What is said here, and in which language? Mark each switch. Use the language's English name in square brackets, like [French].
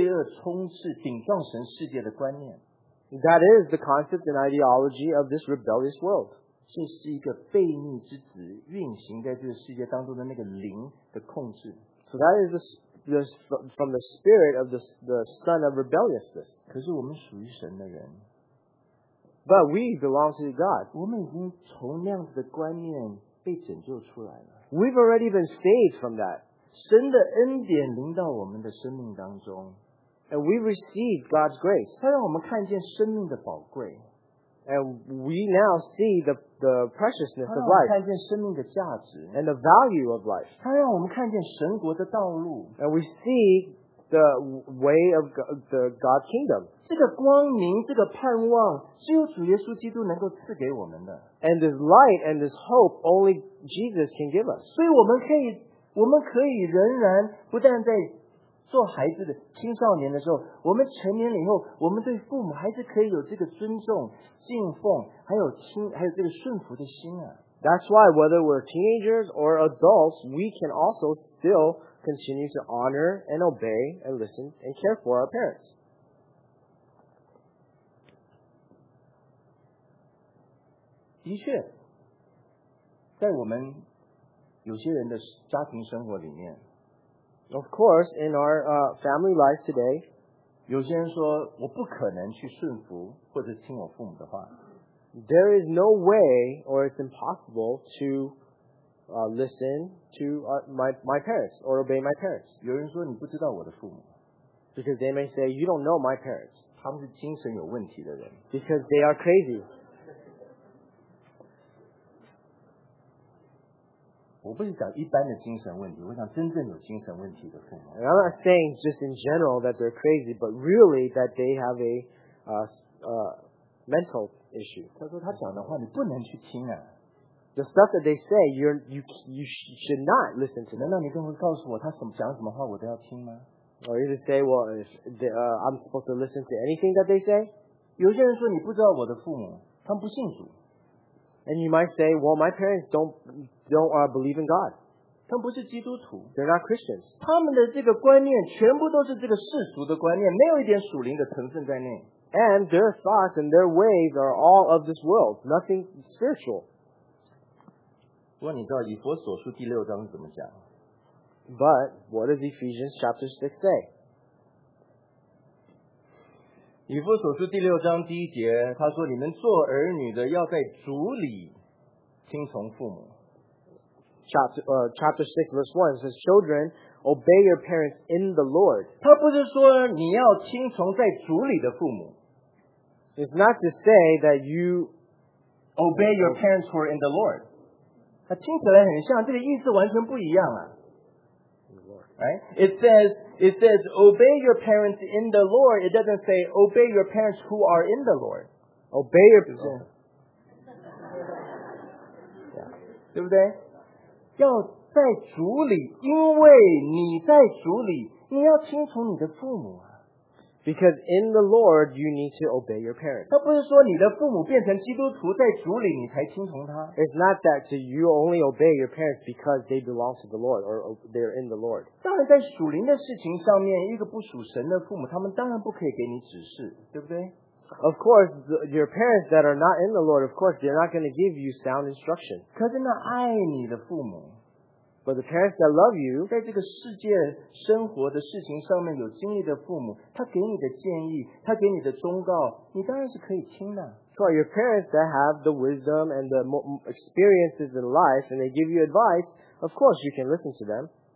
[Chinese] 这个是一个叛逆神、罪恶充斥、顶撞神世界的观念。 [English] That is the concept and ideology of this rebellious world. [Chinese] 这是一个悖逆之子运行在这个世界当中的那个灵的控制。 [English] So that is this from the spirit of the son of rebelliousness. [Chinese] 可是我们属于神的人, [English] but we belong to God. [Chinese] 我们已经从那样子的观念被拯救出来了。 [English] We've already been saved from that. [Chinese] 神的恩典临到我们的生命当中。 [English] And we receive God's grace. [Chinese] 它让我们看见生命的宝贵。 [English] And we now see the preciousness of life. [Chinese] 它让我们看见生命的价值。 [English] And the value of life. [Chinese] 它让我们看见神国的道路。 [English] And we see the way of the God kingdom. [Chinese] 这个光明，这个盼望，只有主耶稣基督能够赐给我们的。 [English] And this light and this hope only Jesus can give us. [Chinese] 所以我们可以仍然不但在做孩子的青少年的时候，我们成年了以后，我们对父母还是可以有这个尊重、敬奉，还有这个顺服的心啊。 [English] That's why whether we're teenagers or adults, we can also still continue to honor and obey and listen and care for our parents. [Chinese] 的确，在我们有些人的家庭生活里面。 [English] Of course, in our family life today, [Chinese] 有些人说我不可能去顺服或者听我父母的话。 [English] There is no way, or it's impossible to listen to my parents or obey my parents. [Chinese] 有人说你不知道我的父母。 [English] Because they may say you don't know my parents. [Chinese] 他们是精神有问题的人。 [English] Because they are crazy. [Chinese] 我不是讲一般的精神问题，我想真正有精神问题的父母。 [English] And I'm not saying just in general that they're crazy, but really that they have a mental issue. [Chinese] 他说他讲的话你不能去听啊。 [English] The stuff that they say, you should not listen to. [Chinese] 难道你跟我告诉我他什么讲什么话我都要听吗？ [English] Or you just say, well, I'm supposed to listen to anything that they say? [Chinese] 有些人说你不知道我的父母，他们不信主。 [English] And you might say, well, my parents don't believe in God. [Chinese] 他们不是基督徒。 [English] They're not Christians. [Chinese] 他们的这个观念全部都是这个世俗的观念，没有一点属灵的成分在内。 [English] And their thoughts and their ways are all of this world, nothing spiritual. [Chinese] 不过你知道以弗所书第六章怎么讲？ [English] But what does Ephesians chapter 6 say? [Chinese] 以弗所书第六章第一节，他说你们做儿女的要在主里听从父母。 [English] Chapter 6 verse 1 says, Children, obey your parents in the Lord. [Chinese] 他不是说你要听从在主里的父母。 [English] It's not to say that you obey your parents who are in the Lord. [Chinese] 它听起来很像，这个意思完全不一样啊。 [English] Right? It says, obey your parents in the Lord. It doesn't say, obey your parents who are in the Lord. Obey your parents. [Chinese] 对不对？要在主里，因为你在主里，你要听从你的父母啊。 [English] Because in the Lord, you need to obey your parents. [Chinese] 他不是说你的父母变成基督徒在主里你才听从他。 [English] It's not that you only obey your parents because they belong to the Lord or they're in the Lord. [Chinese] 当然在属灵的事情上面，一个不属神的父母，他们当然不可以给你指示，对不对？ [English] Of course, your parents that are not in the Lord, of course, they're not going to give you sound instruction. [Chinese] 可是那爱你的父母。 [English] But the parents that love you, [Chinese] 在这个世界生活的事情上面有经历的父母，他给你的建议，他给你的忠告，你当然是可以听的。 [English] So your parents that have the wisdom and the experiences in life, and they give you advice, of course you can listen to them.